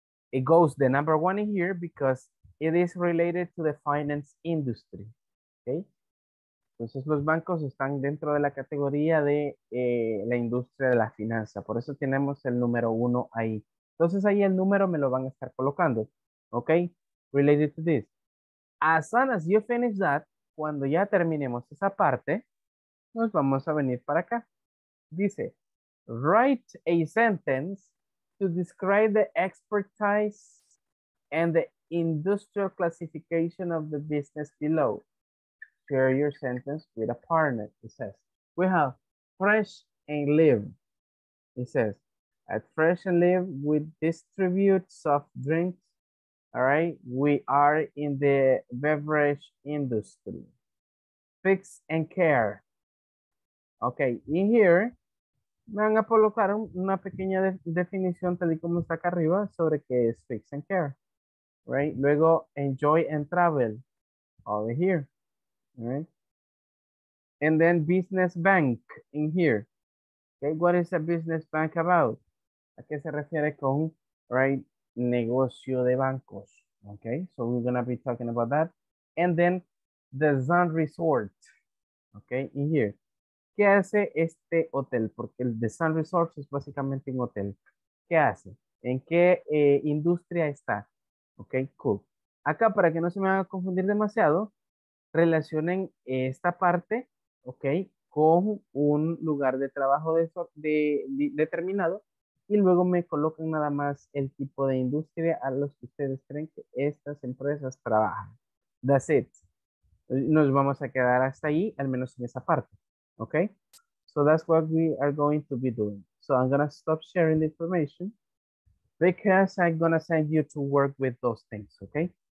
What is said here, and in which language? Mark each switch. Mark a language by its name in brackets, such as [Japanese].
[English] It goes the number one in here because it is related to the finance industry. Okay. [Spanish] Entonces, los bancos están dentro de la categoría de la industria de la finanza. Por eso tenemos el número uno ahí. Entonces, ahí el número me lo van a estar colocando. ¿Ok? [English] Related to this. As soon as you finish that, [Spanish] cuando ya terminemos esa parte, nos vamos a venir para acá. Dice, [English] write a sentence to describe the expertise and the industrial classification of the business below. Share your sentence with a partner, it says. We have Fresh and Live. It says, at Fresh and Live, we distribute soft drinks. All right, we are in the beverage industry. Fix and Care. Okay, in here, [Spanish] me van a colocar una pequeña definición, tal y como está acá arriba, sobre qué es Fix and Care. [English] Right, luego Enjoy and Travel, over here. All right. And then Business Bank in here. Okay, what is a business bank about? [Spanish] ¿A qué se refiere con, right, negocio de bancos? [English] Okay, so we're going to be talking about that. And then the Sun Resort. Okay, in here. [Spanish] ¿Qué hace este hotel? Porque el The Sun Resort es básicamente un hotel. ¿Qué hace? ¿En qué industria está? [English] Okay, cool. [Spanish] Acá, para que no se me van a confundir demasiado, relacionen esta parte, ok, con un lugar de trabajo determinado y luego me colocan nada más el tipo de industria a los que ustedes creen que estas empresas trabajan. [English] That's it. [Spanish] Nos vamos a quedar hasta ahí, al menos en esa parte, ok. [English] So that's what we are going to be doing. So I'm going to stop sharing the information because I'm going to send you to work with those things, ok.